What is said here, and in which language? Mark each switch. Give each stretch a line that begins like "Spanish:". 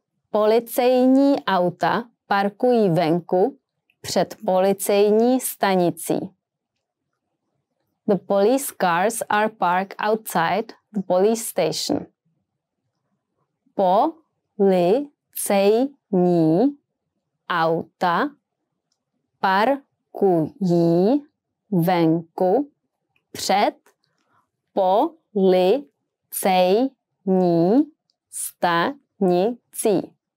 Czech: Policejní auta parkují venku před policejní stanicí.
English: The police cars are parked outside the police station.
Czech: Policejní auta parkují venku před policejní stanicí.